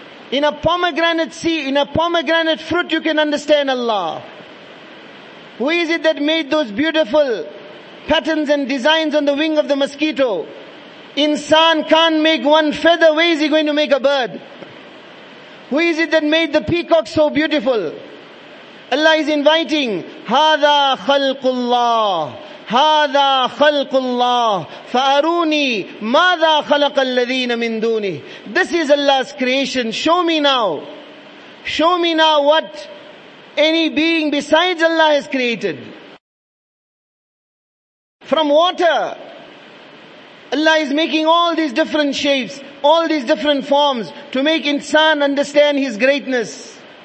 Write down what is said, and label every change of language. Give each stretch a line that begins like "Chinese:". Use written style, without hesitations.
English: In a pomegranate seed, in a pomegranate fruit, you can understand Allah. Who is it that made those beautiful patterns and designs on the wing of the mosquito? Insan can't make one feather, where is he going to make a bird? Who is it that made the peacock so beautiful? Allah is inviting,
Arabic: هَذَا خَلْقُ اللَّهِ هَذَا خَلْقُ اللَّهِ فَأَرُونِي مَاذَا خَلَقَ الَّذِينَ مِن دُونِهِ.
English: This is Allah's creation. Show me now. Show me now what any being besides Allah has created. From water, Allah is making all these different shapes, all these different forms to make insan understand His greatness.